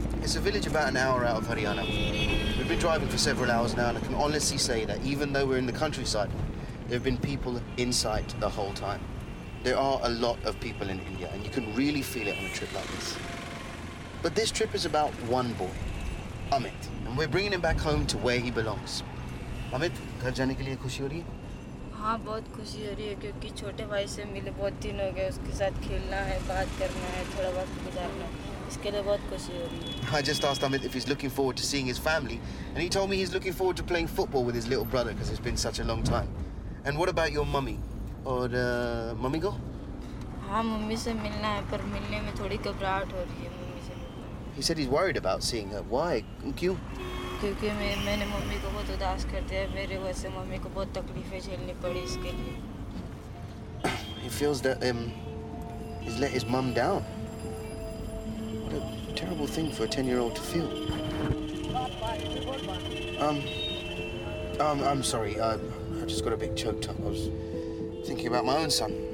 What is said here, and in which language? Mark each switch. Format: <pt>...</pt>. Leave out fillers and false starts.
<en>It's a village about an hour out of Haryana. We've been driving for several hours now, and I can honestly say that even though we're in the countryside, there have been people in sight the whole time. There are a lot of people in India, and you can really feel it on a trip like this. But this trip is about one boy, Amit, and we're bringing him back home to where he belongs.</en> <hi>Amit, ghar jaane ke liye khushi ho rahi hai? हाँ बहुत खुशी हो रही है क्योंकि छोटे भाई से मिले बहुत दिन हो गए उसके साथ खेलना है बात करना है थोड़ा वक्त गुजारना है इसके लिए बहुत खुशी हो रही</hi> <en>है I just asked Amit if he's looking forward to seeing his family and he told me he's looking forward to playing football with his little brother because it's been such a long time and what about your mummy</en> <hi>और mummy go हाँ mummy से मिलना है पर मिलने में थोड़ी घबराहट हो रही है मम्मी से मिलना</hi> <en>He said he's worried about seeing her why</en> <hi>क्यों क्योंकि मैंने मम्मी को बहुत उदास कर दिया मेरे वजह से मम्मी को बहुत तकलीफें झेलनी पड़ी इसके लिए।</hi> <en>He feels that he's let his mum down. What a terrible thing for a 10-year-old to feel. I'm sorry. I just got a bit choked up. I was thinking about my own son.</en>